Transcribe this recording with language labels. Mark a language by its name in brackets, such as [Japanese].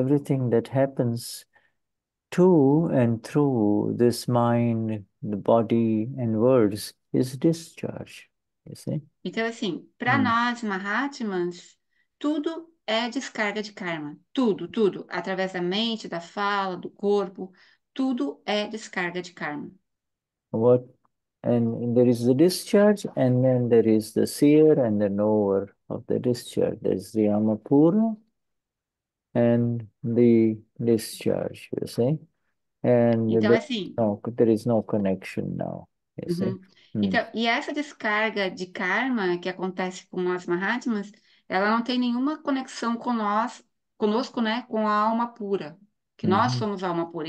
[English] Everything that happens to and through this mind, the body, and words is discharge. You see. [Portuguese] Então, assim, para nós, Mahatmans, tudo é descarga de karma. Tudo, tudo. Através da mente, da fala, do corpo, tudo é descarga de karma. [English] What and there is the discharge, and then there is the seer and the knower of the discharge. There's the Amapura and the discharge, you see, and [Portuguese] Então, assim. [English] there is no connection now, you see. [Portuguese] Então, e essa descarga de karma que acontece com nós Mahatmas, ela não tem nenhuma conexão com nós, conosco, né, com a alma pura, que nós somos a alma pura.